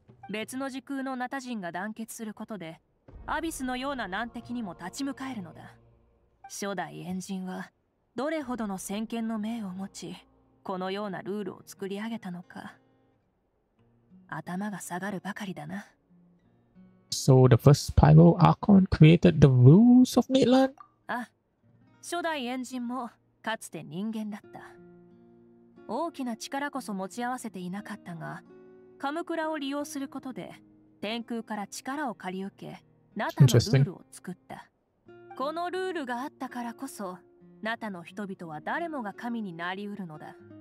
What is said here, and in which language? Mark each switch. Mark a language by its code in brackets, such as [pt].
[ja] 別の時空のナタ人が団結することで、アビスのような難敵にも立ち向かえるのだ。初代エンジンはどれほどの先見の明を持ち、このようなルールを作り上げたのか。頭が下がるばかりだな。 [en] So the first Pyro Archon created the rules of Midland? [ja] あ、初代エンジンもかつて人間だった。大きな力こそ持ち合わせていなかったが、カムクラを利用することで天空から力を借り受け、ナタのルールを作った。このルールがあったからこそ、ナタの人々は誰もが神になりうるのだ。